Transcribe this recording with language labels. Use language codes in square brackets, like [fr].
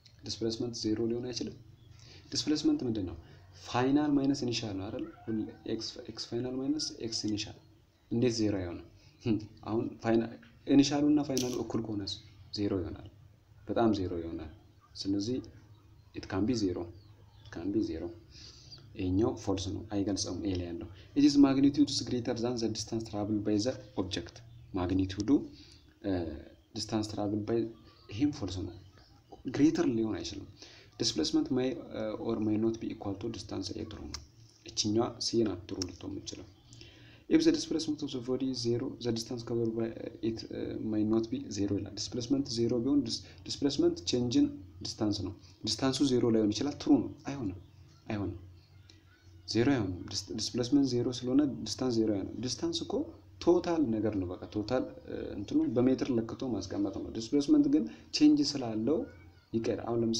[am] displacement zero ሊሆን አይችልም displacement ምንድን ነው final minus initial ነው አይደል x final minus x initial እንዴት zero ይሆናል አሁን final initial እና final እኩል ከሆነስ zero ይሆናል በጣም ዜሮ ይሆናል። ስለዚህ [en] it can be zero can be zero. [am] ይሄኛው ፎልስ ነው፣ አይገልጸውም ኤ ላይ ያለው። [en] it is magnitude is greater than the distance traveled by the object. magnitude distance traveled by him ፎልስ ነው፣ greater ሊሆን አይችልም። displacement may or may not be equal to distance a true. [am] እቺኛ ሲን አትሩ ልትሆን ይችላል። [en] if the displacement of the body is zero, the distance covered by it may not be zero. [am] ይላል displacement zero ቢሆን displacement change in distance ነው። distance zero ላይሆን ይችላል true ነው። አይሆንም zero ያው displacement zero ስለሆነ distance zero ያው distance እኮ total ነገር ነው። በቃ total እንትኑ በሜትር ለክቶ ማስቀመጥ ነው። displacement ግን change ስላለው ይቀር። አሁን